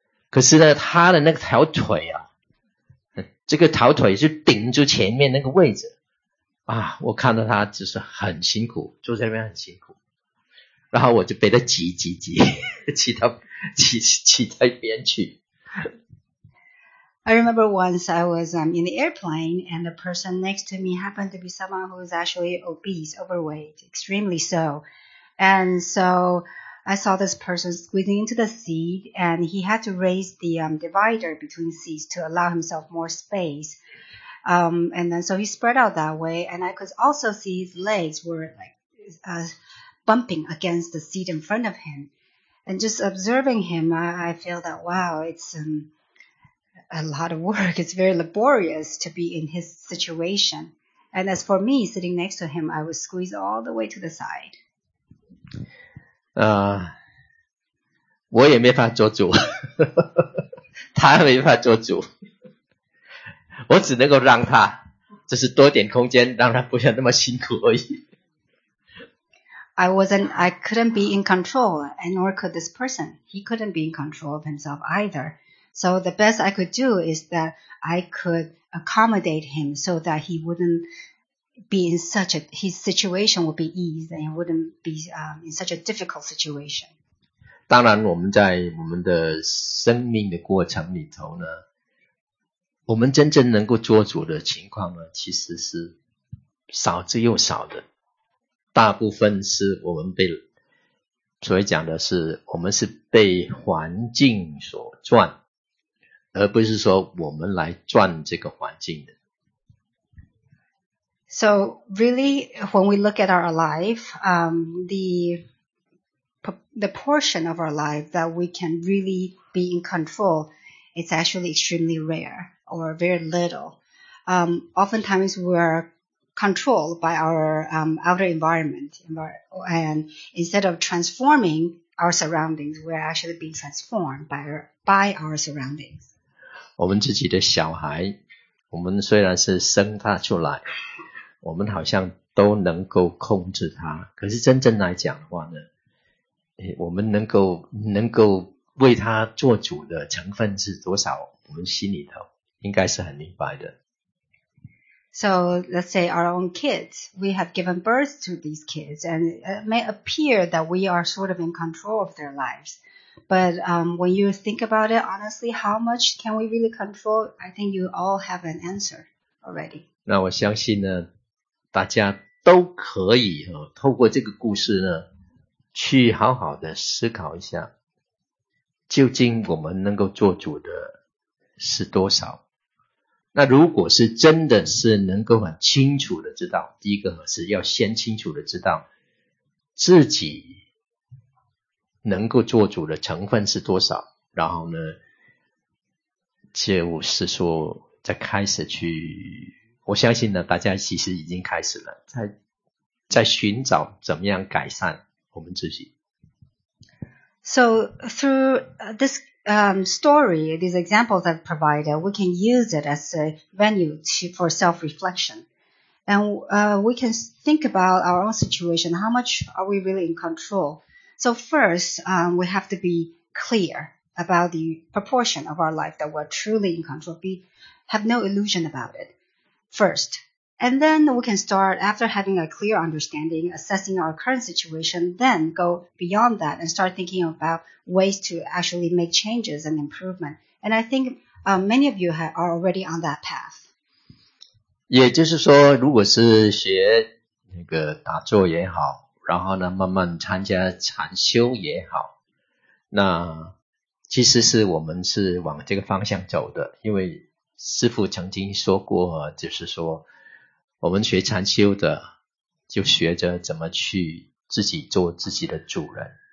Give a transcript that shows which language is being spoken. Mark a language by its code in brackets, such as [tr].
[zh] 可是呢，他的那个条腿啊，这个条腿就顶住前面那个位置。啊，我看到他就是很辛苦，坐在那边很辛苦，然后我就被他挤，挤到一边去。 [en] I remember once I was in the airplane, and the person next to me happened to be someone who is actually obese, overweight, extremely so. And so I saw this person squeezing into the seat, and he had to raise the divider between seats to allow himself more space. And then so he spread out that way, and I could also see his legs were like bumping against the seat in front of him. And just observing him, I feel that, wow, it's a lot of work. It's very laborious to be in his situation. And as for me, sitting next to him, I would squeeze all the way to the side. [zh] 我也没法做主，他没法做主。我只能够让他，就是多点空间，让他不要那么辛苦而已。 [en] I couldn't be in control, and nor could this person. He couldn't be in control of himself either. So the best I could do is that I could accommodate him so that he wouldn't be in such a, his situation would be eased and he wouldn't be in such a difficult situation. [zh] 当然我们在我们的生命的过程里头呢，我们真正能够做主的情况呢，其实是少之又少的，大部分是我们被，所以讲的是我们是被环境所转，而不是说我们来转这个环境的。 [en] So really, when we look at our life, the portion of our life that we can really be in control, it's actually extremely rare. Or very little. Oftentimes we are controlled by our outer environment, and instead of transforming our surroundings, we're actually being transformed by our surroundings. [zh] 我们自己的小孩，我们虽然是生他出来，我们好像都能够控制他，可是真正来讲的话呢，我们能够为他做主的成分是多少？我们心里头。应该是很明白的。 [en] So let's say our own kids, we have given birth to these kids, and it may appear that we are sort of in control of their lives. But when you think about it, honestly, how much can we really control? I think you all have an answer already. [zh] 那我相信呢，大家都可以透过这个故事呢，去好好的思考一下，究竟我们能够做主的是多少？那如果是真的是能够很清楚的知道，第一个是要先清楚的知道自己能够做主的成分是多少，然后呢，就是说在开始去，我相信呢，大家其实已经开始了，在寻找怎么样改善我们自己。 [en] So through this story, these examples I've provided, we can use it as a venue for self-reflection. And we can think about our own situation. How much are we really in control? So first, we have to be clear about the proportion of our life that we're truly in control. We have no illusion about it first. And then we can start, after having a clear understanding, assessing our current situation, then go beyond that and start thinking about ways to actually make changes and improvement. And I think many of you are already on that path. [zh] 也就是说，如果是学那个打坐也好，然后呢，慢慢参加禅修也好，那其实是我们是往这个方向走的，因为师父曾经说过，就是说我们学禅修的就学着怎么去自己做自己的主人。